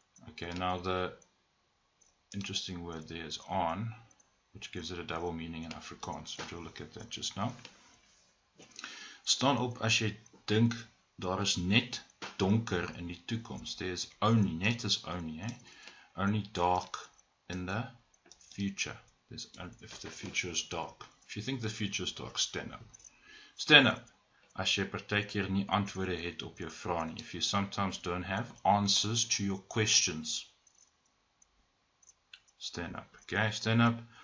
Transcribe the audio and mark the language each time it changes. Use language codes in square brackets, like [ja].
[en] Okay, now the interesting word there is on, which gives it a double meaning in Afrikaans. We'll look at that just now. [af] Staan op as jy dink daar is net donker in die toekomst. [en] There's only, net is only, only dark in the future. There's, if the future is dark. If you think the future is dark, stand up. Stand up [af] as jy partykeer nie antwoorde het op jou vrae nie. [en] If you sometimes don't have answers to your questions, stand up. Okay, stand up.